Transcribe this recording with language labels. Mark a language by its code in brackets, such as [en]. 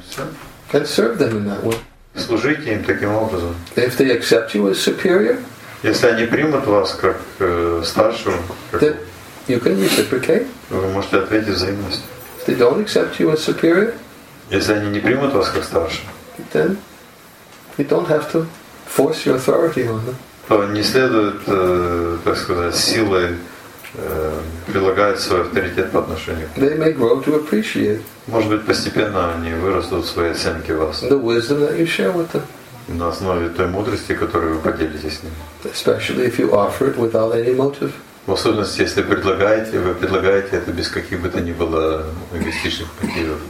[ru] все. [en] And serve them in that way. [ru] Служите им таким образом. [en] If they accept you as superior, [ru] если они примут вас как старшего, [en] then you can reciprocate. [ru] Вы можете ответить взаимностью. [en] If they don't accept you as superior, [ru] если они не примут вас как старшего, [en] then you don't have to force your authority on them. [ru] То не следует, так сказать, силой прилагать свой авторитет по отношению к ним. [en] They may grow to appreciate. [ru] Может быть, постепенно они вырастут в своей оценке вас. [en] The wisdom that you share with them. [ru] На основе той мудрости, которую вы поделитесь с ним. [en] Especially if you offer it without any motive. [ru] В особенности, если предлагаете, вы предлагаете это без каких бы то ни было эгоистичных мотивов.